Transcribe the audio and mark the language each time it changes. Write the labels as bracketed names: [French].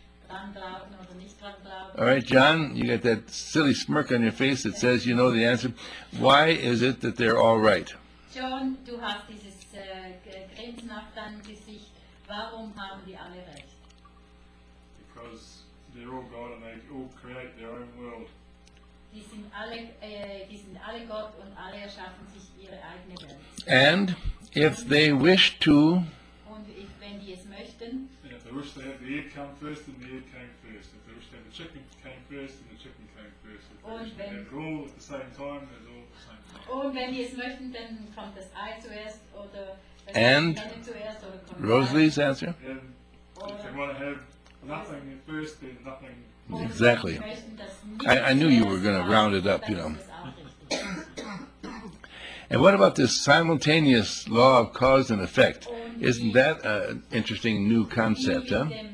[English] All right, John, you got that silly smirk on your face that says you know the answer. Why is it that they're all right? [German] John, du hast dieses Grinsen auf deinem Gesicht. Warum haben die alle recht? [English] Because they're all God and they all create their own world. [German] Die sind alle Gott und alle erschaffen sich ihre eigene Welt. [English] And if they wish to, [German] und if, wenn die es möchten, [English] if they wish to have the egg come first, then the egg came first. If they wish to have the chicken came first, then the chicken came first. If they wish to have it all at the same time, then it's all at the same time. [German] Und wenn die es möchten, dann kommt das Ei zuerst oder [English] and [German] zuerst, oder kommt [English] Rosalie's answer. And if they want to have nothing first, then nothing. Exactly. I knew you were going to round it up, you know. And what about this simultaneous law of cause and effect? Isn't that an interesting new concept, huh?